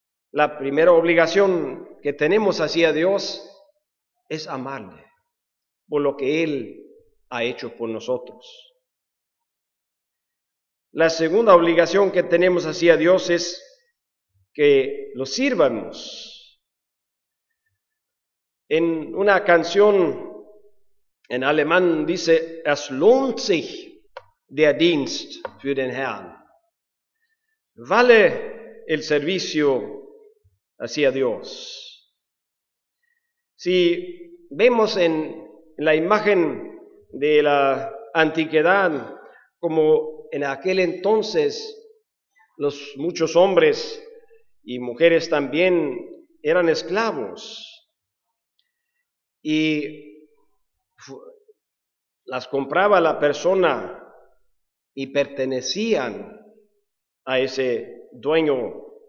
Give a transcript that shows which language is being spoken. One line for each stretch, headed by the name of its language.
Spanish: La primera obligación que tenemos hacia Dios es amarle por lo que Él ha hecho por nosotros. La segunda obligación que tenemos hacia Dios es que lo sirvamos. En una canción en alemán dice:
German: Es lohnt sich der Dienst für den Herrn.
Spanish: Vale el servicio hacia Dios. Si vemos en la imagen de la antigüedad, como en aquel entonces los muchos hombres y mujeres también eran esclavos, y las compraba la persona y pertenecían a ese dueño.